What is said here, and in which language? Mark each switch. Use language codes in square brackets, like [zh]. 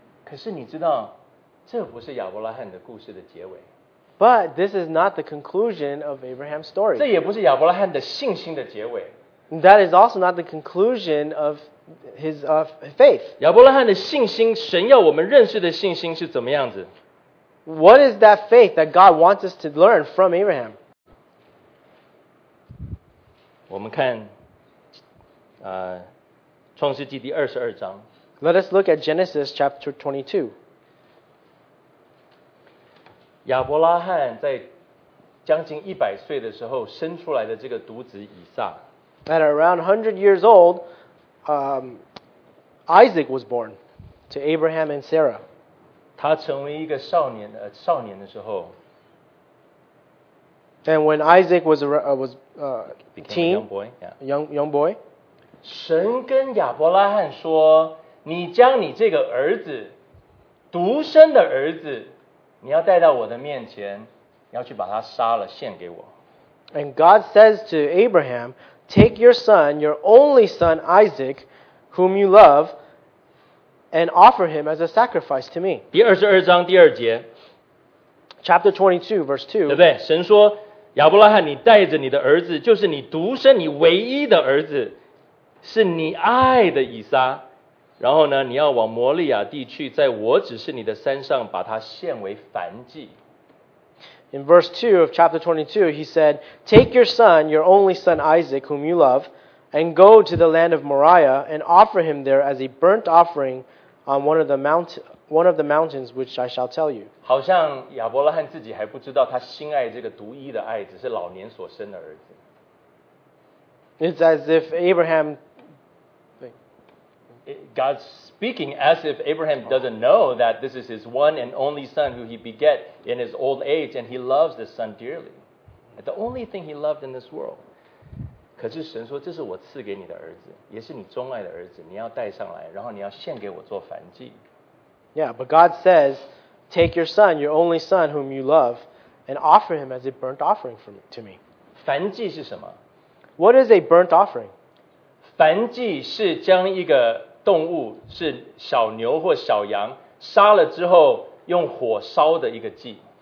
[zh] 可是你知道，这不是亚伯拉罕的故事的结尾。 [en] But this is not the conclusion of Abraham's story. [zh] 这也不是亚伯拉罕的信心的结尾。 [en] That is also not the conclusion of his faith. [zh] 亚伯拉罕的信心，神要我们认识的信心是怎么样子？ [en] What is that faith that God wants us to learn from Abraham? [zh] 我们看创世纪第二十二章。 [en] Let us look at Genesis chapter 22. [zh] 亚伯拉罕在将近一百岁的时候生出来的这个独子以撒。 [en] At around 100 years old, Isaac was born to Abraham and Sarah. [zh] 他成为一个少年的时候。 [en] And when Isaac was a young boy. [zh] 神跟亚伯拉罕说，你将你这个儿子，独生的儿子，你要带到我的面前，你要去把他杀了，献给我。 [en] And God says to Abraham,Take your son, your only son Isaac, whom you love, and offer him as a sacrifice to me. [zh] 第二十二章第二节 [en] Chapter 22, verse 2. [zh] 对不对？神说，亚伯拉罕，你带着你的儿子，就是你独生你唯一的儿子，是你爱的以撒。然后呢，你要往摩利亚地去，在我指示你的山上，把它献为燔祭。 [en] In verse 2 of chapter 22, he said, Take your son, your only son Isaac, whom you love, and go to the land of Moriah and offer him there as a burnt offering on one of the mountains which I shall tell you. [zh] 好像亚伯拉罕自己还不知道他心爱这个独一的爱只是老年所生的儿子。 [en] It's as if Abraham... God's speaking as if Abraham doesn't know that this is his one and only son who he beget in his old age, and he loves this son dearly. The only thing he loved in this world. [zh] 可是神说，这是我赐给你的儿子，也是你钟爱的儿子，你要带上来，然后你要献给我做燔祭。 [en] Yeah, but God says, take your son, your only son whom you love, and offer him as a burnt offering to me. [zh] 燔祭是什么？ [en] What is a burnt offering? [zh] 燔祭是将一个动物是小牛或小羊杀了之后用火烧的一个祭。